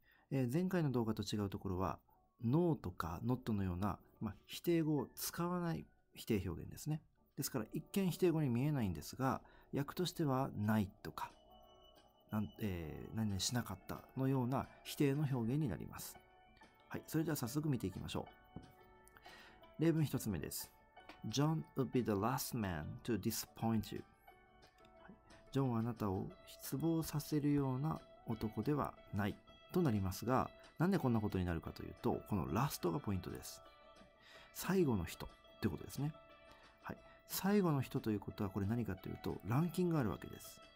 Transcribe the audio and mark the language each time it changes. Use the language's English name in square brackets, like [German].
[Japanese] 前回の動画と違うところは、ノーとかノットのような、否定語を使わない否定表現ですね。ですから、一見否定語に見えないんですが、訳としては、ないとか、何々しなかったのような否定の表現になります。はい、それでは早速見ていきましょう。例文一つ目です。 [English] John would be the last man to disappoint you. [Japanese] ジョンはあなたを失望させるような男ではないとなりますが、なんでこんなことになるかというと、このラストがポイントです。最後の人ってことですね。はい。最後の人ということは、これ何かというと、ランキングがあるわけです。